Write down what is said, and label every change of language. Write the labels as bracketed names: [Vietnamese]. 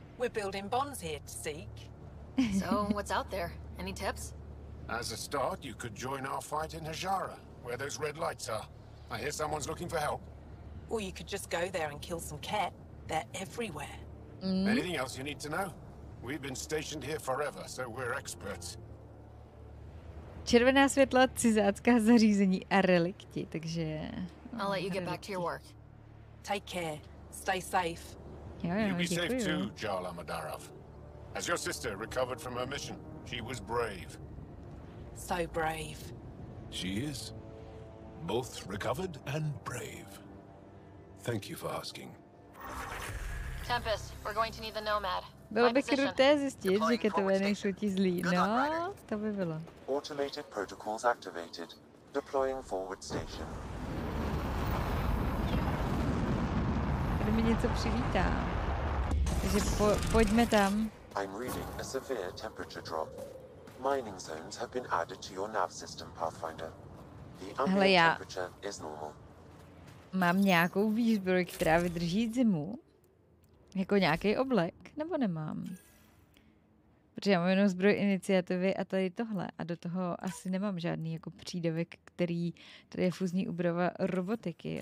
[English] We're building bonds here to seek. So what's out there? Any tips? As a start, you could join our fight in Hajara, where those red lights are. I hear someone's looking for help. Or you could just go there and kill some cat. They're everywhere. Anything else you need to know? We've been stationed here forever, so we're experts. [Czech] Červená světla, cizácká zařízení a relikti, takže... [English] I'll let you get back to your work. Take care. Stay safe. You be safe too, Jarla Madarov. As your sister recovered from her mission, she was brave. So brave. She is. Both recovered and brave. Thank you for asking. Tempest, we're going to need the Nomad. [Czech] Bylo by kruté zjistit, že ketové nejsou ti zlí. No, to by bylo. [English] Automated protocols activated. Deploying forward station. [Czech] Tady mi něco přivítá. Takže pojďme tam. [English] I'm reading a severe temperature drop. Mining zones have been added to your nav system, Pathfinder. The ambient temperature is normal. [Czech] Mám nějakou výzbroj, která vydrží zimu. Jako nějaký oblek, nebo nemám? Protože já mám jenom zbroj iniciativy a tady tohle. A do toho asi nemám žádný jako přídavek, který tady je fuzní úprava robotiky.